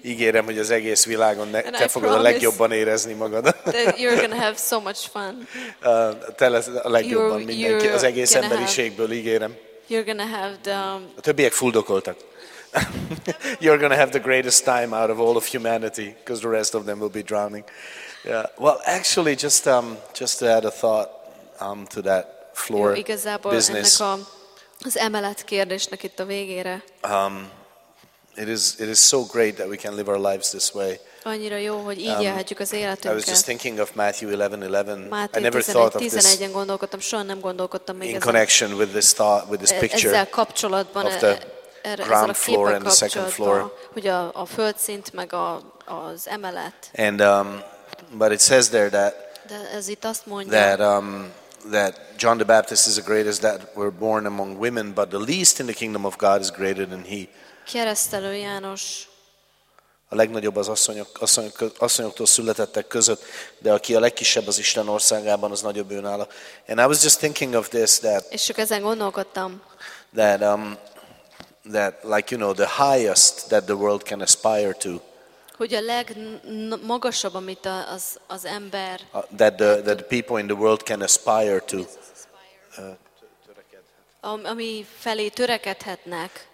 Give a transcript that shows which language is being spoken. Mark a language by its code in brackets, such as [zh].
[hu] Ígérem, hogy az egész világon te fogod a legjobban érezni magad. [en] You're gonna have so much fun. [hu] Te lesz a legjobban mindenki, az egész emberiségből, ígérem. [en] You're gonna have the. [hu] A többiek fuldokoltak. [en] You're going to have the greatest time out of all of humanity because the rest of them will be drowning. Yeah. Well, actually, just to add a thought to that floor business. [hu] Az emelet kérdésnek itt a végére. [en] It is so great that we can live our lives this way. [hu] Annyira jó, hogy így élhetjük az életünket. [en] I was just thinking of Matthew 11:11. [hu] Máté 11:11-en gondolkodtam, soha nem gondolkodtam még ezen. [en] In connection with this thought, with this picture. [hu] Ezzel kapcsolatban [en] of the ground floor and the second floor. [hu] Hogy a földszint meg az emelet. [en] And but it says there that [hu] de ez itt azt mondja, [en] that that John the Baptist is the greatest that were born among women, but the least in the kingdom of God is greater than he. [hu] Keresztelő János. A legnagyobb az asszonyoktól születettek között, de aki a legkisebb az Isten országában, az nagyobb ő nála. [en] And I was just thinking of this that. [hu] És csak ezen gondolkodtam. [en] That that like you know the highest that the world can aspire to. [hu] Hogy a legmagasabb amit az ember [en] that the people in the world can aspire to. [hu] Ami felé törekedhetnek